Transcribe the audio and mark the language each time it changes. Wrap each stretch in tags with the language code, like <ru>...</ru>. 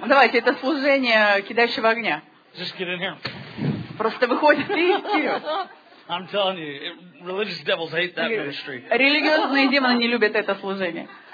<ru>Давайте, это служение кидающего огня.</ru> <en>Just get in here.</en> <ru>Просто выходит и идти.</ru> <en>I'm telling you, religious devils hate that ministry.</en> <ru>Религиозные демоны не любят это служение.</ru>